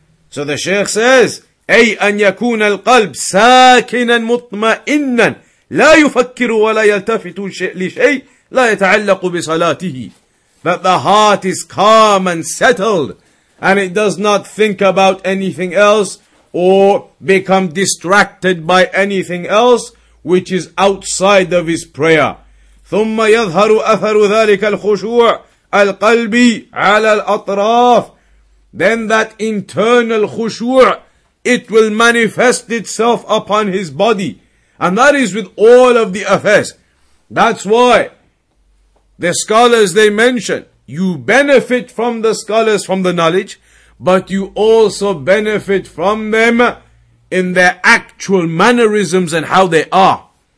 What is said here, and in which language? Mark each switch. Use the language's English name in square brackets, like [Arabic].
[English] So the Shaykh says, [Arabic] أي أن يكون القلب ساكنا مطمئنا لا يفكر ولا يلتفت لشيء لا يتعلق بصلاته. [English] That the heart is calm and settled, and it does not think about anything else or become distracted by anything else which is outside of his prayer. [Arabic] ثم يظهر أثر ذلك الخشوع القلب على الأطراف. [English] Then that internal خشوع, it will manifest itself upon his body. And that is with all of the affairs. That's why the scholars, they mention, you benefit from the scholars from the knowledge, but you also benefit from them in their actual mannerisms and how they are.